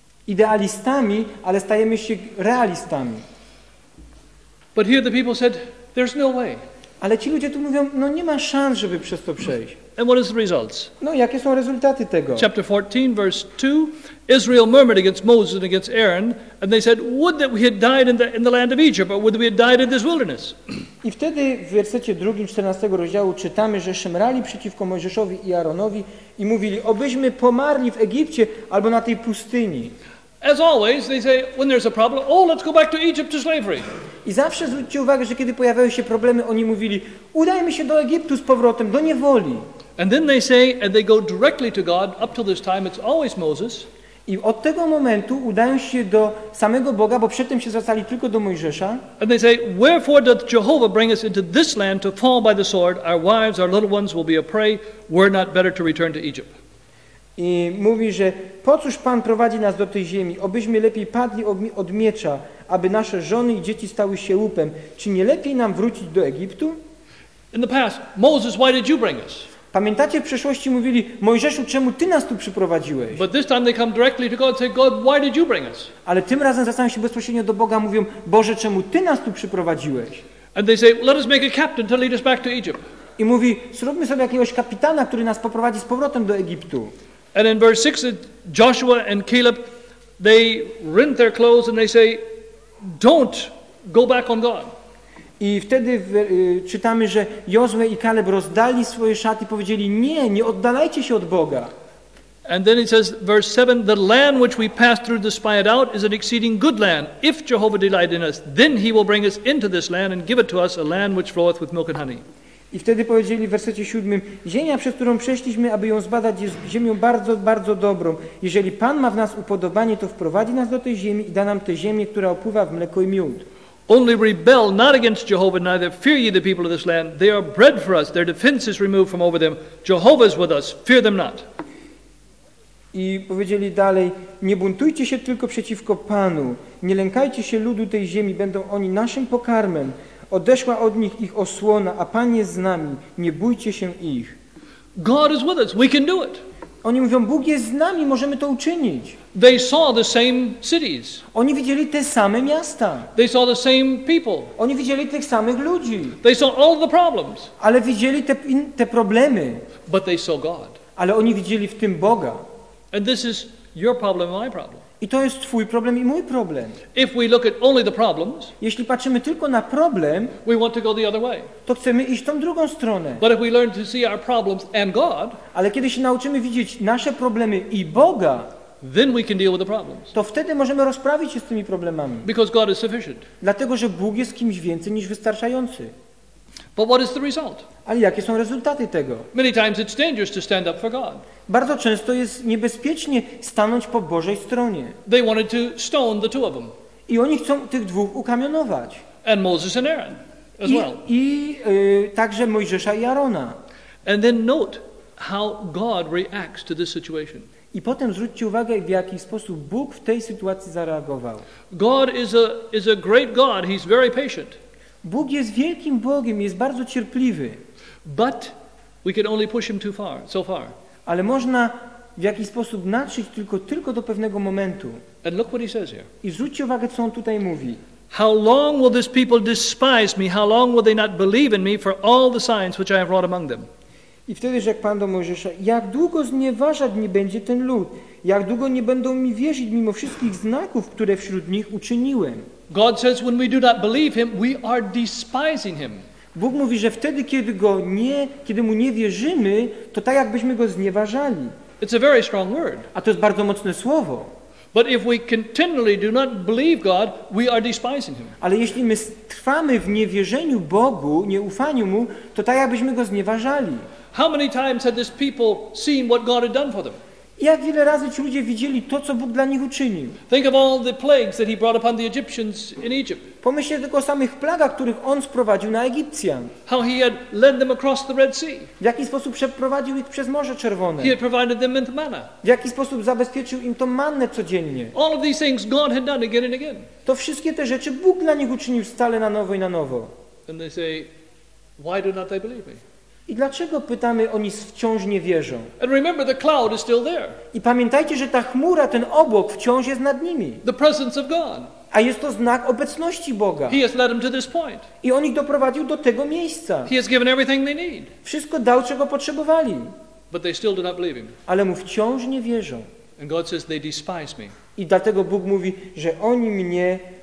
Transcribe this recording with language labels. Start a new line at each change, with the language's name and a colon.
Polish: Idealistami, ale stajemy się realistami.
English: But here the people said, there's no way.
Polish: Ale ci ludzie tu mówią, no nie ma szans, żeby przez to przejść.
English: And what is the results?
Polish: No, jakie są rezultaty tego?
English: Chapter 14, verse 2. Israel murmured against Moses and against Aaron, and they said, would that we had died in the land of Egypt, or would that we had died in this wilderness.
Polish: I wtedy w wersecie 2, 14 rozdziału czytamy, że szemrali przeciwko Mojżeszowi i Aaronowi i mówili, obyśmy pomarli w Egipcie albo na tej pustyni.
English: As always, they say, when there's a problem, oh, let's go back to Egypt to slavery.
Polish: I zawsze zwróćcie uwagę, że kiedy pojawiały się problemy, oni mówili, udajmy się do Egiptu z powrotem, do niewoli.
English: And then they say, and they go directly to God, up till this time, it's always Moses.
Polish: I od tego momentu udają się do samego Boga, bo przedtem się zwracali tylko do Mojżesza.
English: And they say, wherefore doth Jehovah bring us into this land to fall by the sword? Our wives, our little ones will be a prey. Were not better to return to Egypt.
Polish: I mówi, że po cóż Pan prowadzi nas do tej ziemi, obyśmy lepiej padli od miecza, aby nasze żony i dzieci stały się łupem. Czy nie lepiej nam wrócić do Egiptu?
English: In the past, Moses, why did you bring us?
Polish: Pamiętacie, w przeszłości mówili, Mojżeszu, czemu ty nas tu przyprowadziłeś?
English: But this time they come directly to God and say, God, why did you bring us?
Polish: Ale tym razem zwracają się bezpośrednio do Boga, mówią, Boże, czemu ty nas tu przyprowadziłeś?
English: And they say, let us make a captain to lead us back to Egypt.
Polish: I mówi, zróbmy sobie jakiegoś kapitana, który nas poprowadzi z powrotem do Egiptu.
English: And in verse 6, Joshua and Caleb, they rent their clothes and they say, don't go back on God.
Polish: I wtedy czytamy, że Jozue i Kaleb rozdali swoje szaty i powiedzieli, nie, nie oddalajcie się od Boga.
English: And then it says, verse 7, the land which we passed through to spy it out is an exceeding good land. If Jehovah delight in us, then he will bring us into this land and give it to us, a land which floweth with milk and honey.
Polish: I wtedy powiedzieli w wersecie 7, ziemia, przez którą przeszliśmy, aby ją zbadać, jest ziemią bardzo, bardzo dobrą. Jeżeli Pan ma w nas upodobanie, to wprowadzi nas do tej ziemi i da nam tę ziemię, która opływa w mleko i miód.
English: Only rebel not against Jehovah, neither fear ye the people of this land. They are bread for us, their defense is removed from over them. Jehovah is with us, fear them not.
Polish: I powiedzieli dalej, nie buntujcie się tylko przeciwko Panu. Nie lękajcie się ludu tej ziemi, będą oni naszym pokarmem. Odeszła od nich ich osłona, a Pan jest z nami. Nie bójcie się ich.
English: God is with us. We can do it.
Polish: Oni mówią, Bóg jest z nami, możemy to uczynić.
English: They saw the same cities.
Polish: Oni widzieli te same miasta.
English: They saw the same people.
Polish: Oni widzieli tych samych ludzi.
English: They saw all the problems.
Polish: Ale widzieli te problemy.
English: But they saw God.
Polish: Ale oni widzieli w tym Boga.
English: And this is your problem and my problem.
Polish: I to jest twój problem i mój problem.
English: If we look at only the problems,
Polish: jeśli patrzymy tylko na problem,
English: we want to go the other way.
Polish: To chcemy iść tą drugą stronę.
English: But if we learn to see our problems and God,
Polish: ale kiedy się nauczymy widzieć nasze problemy i Boga,
English: then we can deal with the problems.
Polish: To wtedy możemy rozprawić się z tymi problemami.
English: Because God is sufficient.
Polish: Dlatego, że Bóg jest kimś więcej niż wystarczający.
English: But what is the result?
Polish: Ale jakie są rezultaty tego?
English: Many times it's dangerous to stand up for God.
Polish: Bardzo często jest niebezpiecznie stanąć po Bożej stronie.
English: They wanted to stone the two of them.
Polish: I oni chcą tych dwóch ukamionować.
English: And Moses and Aaron as well.
Polish: Także Mojżesza i Arona.
English: And then note how God reacts to this situation.
Polish: I potem zwróćcie uwagę, w jaki sposób Bóg w tej sytuacji zareagował.
English: God is a great God. He's very patient.
Polish: Bóg jest wielkim Bogiem, jest bardzo cierpliwy.
English: But we can only push him too far, so far.
Polish: Ale można w jakiś sposób nadszyć tylko do pewnego momentu.
English: And look what he says here.
Polish: I zwróćcie uwagę, co on tutaj mówi.
English: How long will this people despise me? How long will they not believe in me for all the signs which I have wrought among them?
Polish: I wtedy rzekł Pan do Mojżesza, jak długo znieważać mnie będzie ten lud? Jak długo nie będą mi wierzyć mimo wszystkich znaków, które wśród nich uczyniłem?
English: God says when we do not believe him, we are despising him.
Polish: Bóg mówi, że wtedy, kiedy mu nie wierzymy, to tak jakbyśmy go znieważali.
English: It's a very strong word.
Polish: A to jest bardzo mocne słowo.
English: But if we continually do not believe God, we are despising him.
Polish: Ale jeśli my trwamy w niewierzeniu Bogu, nieufaniu mu, to tak jakbyśmy go znieważali.
English: How many times had this people seen what God had done for them?
Polish: Jak wiele razy ci ludzie widzieli to, co Bóg dla nich uczynił?
English: Think of all the plagues that he brought upon the Egyptians in Egypt.
Polish: Pomyślcie tylko o samych plagach, których on sprowadził na Egipcjan.
English: How he had led them across the Red Sea.
Polish: W jaki sposób przeprowadził ich przez Morze Czerwone.
English: He had provided them with manna.
Polish: W jaki sposób zabezpieczył im tą mannę codziennie.
English: All of these things God had done again and again.
Polish: To wszystkie te rzeczy Bóg dla nich uczynił stale na nowo i na nowo.
English: And they say, why do not they believe me?
Polish: I dlaczego, pytamy, oni wciąż nie wierzą?
English: And remember, the cloud is still there.
Polish: I pamiętajcie, że ta chmura, ten obłok wciąż jest nad nimi.
English: The presence of God.
Polish: A jest to znak obecności Boga.
English: He has led them to this point.
Polish: I on ich doprowadził do tego miejsca.
English: He has given everything they need.
Polish: Wszystko dał, czego potrzebowali.
English: But they still do not believe him.
Polish: Ale mu wciąż nie wierzą.
English: And God says they despise me.
Polish: I dlatego Bóg mówi, że oni mnie...